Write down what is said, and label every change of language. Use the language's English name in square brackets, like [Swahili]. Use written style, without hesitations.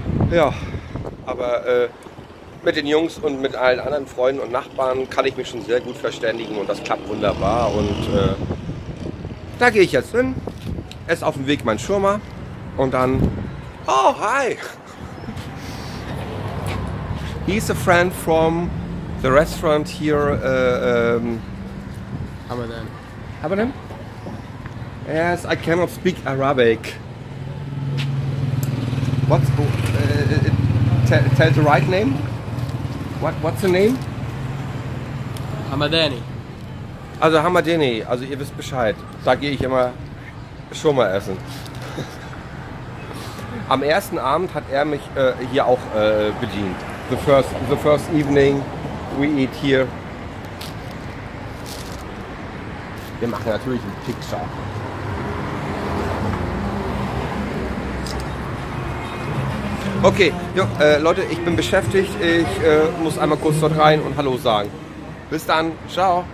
[German] Ja, aber mit den Jungs und mit allen anderen Freunden und Nachbarn kann ich mich schon sehr gut verständigen und das klappt wunderbar. Und da gehe ich jetzt hin, esse auf dem Weg mein Shawarma und dann, [English] oh, hi! He's a friend from the restaurant here. Hamadan. Hamadan? Yes, I cannot speak Arabic. What's tell the right name? What's the name? Hamadani. [German] Also Hamadani, also ihr wisst Bescheid. Da gehe ich immer schon mal essen. Am ersten Abend hat er mich hier auch bedient. [English] The first evening we eat here. [German] Wir machen natürlich einen Picture. Okay, jo, Leute, ich bin beschäftigt. Ich muss einmal kurz dort rein und Hallo sagen. Bis dann, ciao.